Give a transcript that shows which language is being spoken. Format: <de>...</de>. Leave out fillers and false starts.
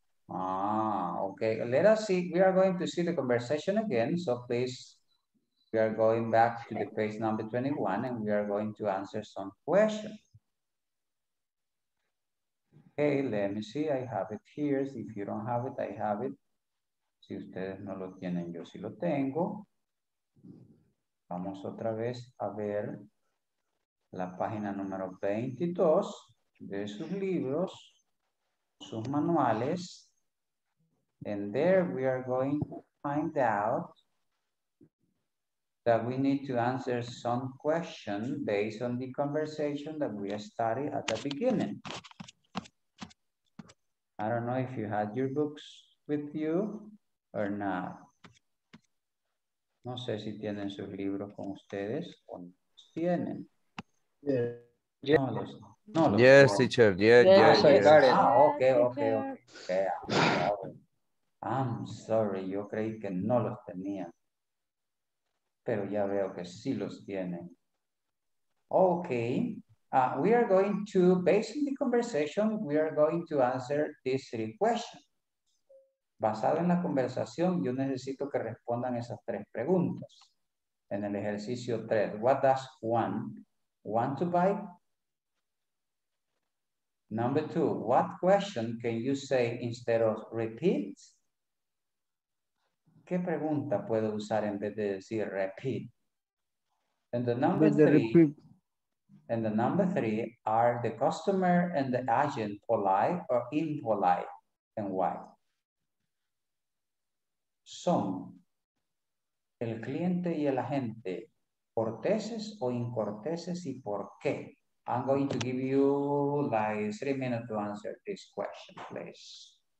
<en>Ah, okay, let us see. We are going to see the conversation again. So please, we are going back to the page number 21 and we are going to answer some questions. Okay, let me see, I have it here. If you don't have it, I have it.</en> <es>Si ustedes no lo tienen, yo sí lo tengo. Vamos otra vez a ver la página número 22 de sus libros, sus manuales.</es> <en>And there we are going to find out that we need to answer some question based on the conversation that we studied at the beginning. I don't know if you had your books with you or not.</en> <es>No sé si tienen sus libros con ustedes o no los tienen.</es> <en>Yeah.</en> <es>No los, no los</es> <en>yes,</en> <es>puedo.</es> <en>Teacher. Yeah, yeah, yes, yes. Ah, okay, okay, okay. I'm sorry,</en> <es>yo creí que no los tenía. Pero ya veo que sí los tienen. Okay.</es> <en>We are going to, based on the conversation, we are going to answer these three questions.</en> <es>Basado en la conversación, yo necesito que respondan esas tres preguntas. En el ejercicio 3,</es> <en>what does Juan want to buy? Number 2, what question can you say instead of repeat?</en> <es>¿Qué pregunta puedo usar en vez de decir repeat?</es> <en>And the number 3, and the number 3, are the customer and the agent polite or impolite and why?</en> <es>¿Son el cliente y el agente corteses o incorteses y por qué?</es> <en>I'm going to give you like 3 minutes to answer this question, please.</en>